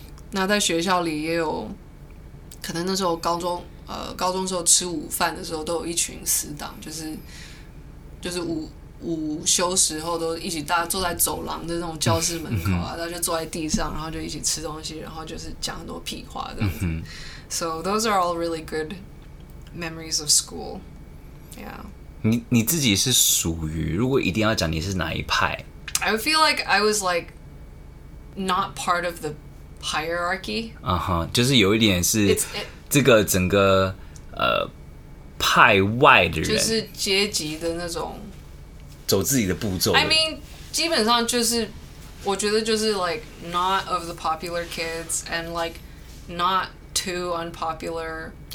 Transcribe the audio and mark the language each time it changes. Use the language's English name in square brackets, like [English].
[Chinese] 那在学校里也有可能那时候高中时候吃午饭的时候都有一群死党，就是午休时候都一起大家坐在走廊的那种教室门口啊，大家就坐在地上，然后就一起吃东西，然后就是讲很多屁话这样子。 [English] So those are all really good memories of school. Yeah. [Chinese] 你自己是属于，如果一定要讲你是哪一派 [English] ？I feel like I was like not part of the hierarchy. [Chinese] 啊哈，就是有一点是这个整个派外的人，就是阶级的那种，走自己的步骤。 [English] I mean， [Chinese] 基本上就是我觉得就是 [English] like not of the popular kids and like not too unpopular，